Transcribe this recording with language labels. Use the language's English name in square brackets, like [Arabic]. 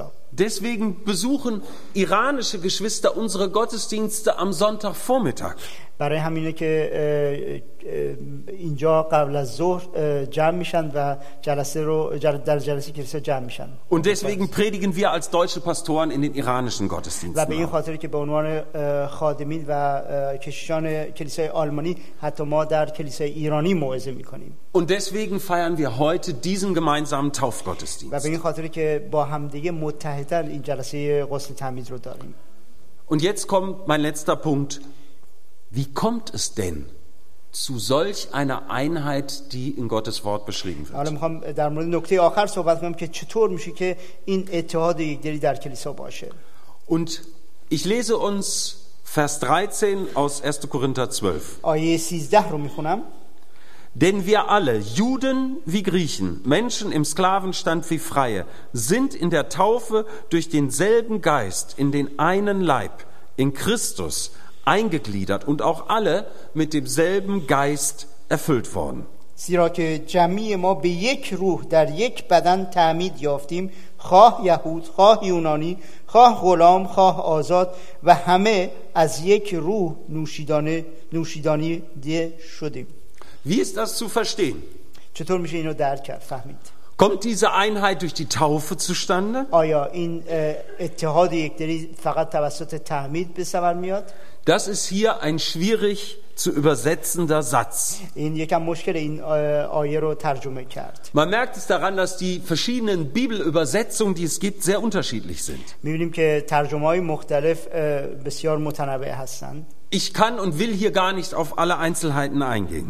[German] Deswegen besuchen iranische Geschwister unsere Gottesdienste am Sonntagvormittag. [Persian] برای همینه که اینجا قبل از ظهر جمع میشن و جلسه رو در جلسه کلیسا جمع میشن. [German] Und deswegen predigen wir als deutsche Pastoren in den iranischen Gottesdiensten. [Persian] و به این خاطر که به عنوان خادمین و کشیشان کلیسای آلمانی حتی ما در کلیسای ایرانی موعظه میکنیم. [German] Und deswegen feiern wir heute diesen gemeinsamen Taufgottesdienst. [Persian] و به این خاطر که با هم دیگه متحدن این جلسه غسل تعمید رو داریم. [German] Und jetzt kommt mein letzter Punkt. Wie kommt es denn zu solch einer Einheit, die in Gottes Wort beschrieben wird? Alle haben [Persian] در مورد نکته آخر صحبت می‌کنم که چطور میشه که این اتحاد یکدلی در کلیسا باشه. [German] Und ich lese uns Vers 13 aus 1. Korinther 12. [Persian] آیه 13 رو می‌خونم. [German] Denn wir alle, Juden wie Griechen, Menschen im Sklavenstand wie Freie, sind in der Taufe durch denselben Geist in den einen Leib, in Christus, eingegliedert und auch alle mit demselben Geist erfüllt worden. [Persian] زیرا که جمعی ما به یک روح در یک بدن تعمید یافتیم، خواه یهود، خواه یونانی، خواه غلام، خواه آزاد و همه از یک روح نوشیدنی شدیم. [German] Wie ist das zu verstehen? [Persian] چطور میشه اینو درک کرد، فهمید؟ [German] Kommt diese Einheit durch die Taufe zustande? [Persian] آیا این اتحاد یکدلی فقط توسط تعمید به ثمر میاد؟ [German] Das ist hier ein schwierig zu übersetzender Satz. Man merkt es daran, dass die verschiedenen Bibelübersetzungen, die es gibt, sehr unterschiedlich sind. Ich kann und will hier gar nicht auf alle Einzelheiten eingehen.